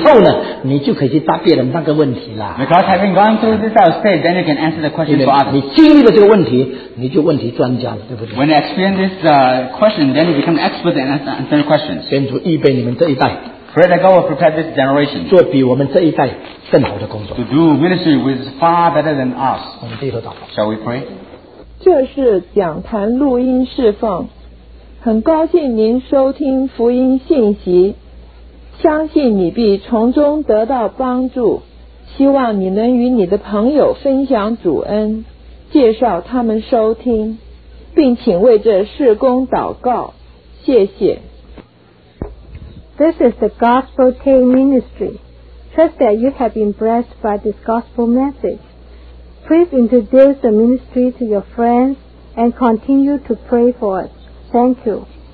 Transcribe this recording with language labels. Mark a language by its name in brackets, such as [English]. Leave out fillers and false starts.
[Chinese] 他许可你经过这一段折磨、这一段经验以后呢，你就可以去答别人那个问题了。 [English] Because having gone through this type of state, then you can answer the question for others. [Chinese] 你经历了这个问题，你就问题专家了，对不对？ [English] When you experience this question, then you become expert in answering questions. [Chinese] 先预备你们这一代。 [English] Pray that God will prepare this generation. [Chinese] 做比我们这一代更好的工作。 [English] To do ministry with far better than us. Shall we pray? [Chinese] 这是讲坛录音释放。很高兴您收听福音信息，相信你必从中得到帮助。希望你能与你的朋友分享主恩，介绍他们收听，并请为这事工祷告。谢谢。 [English] This is the Gospel Tape Ministry. Trust that you have been blessed by this gospel message. Please introduce the ministry to your friends and continue to pray for us. Thank you.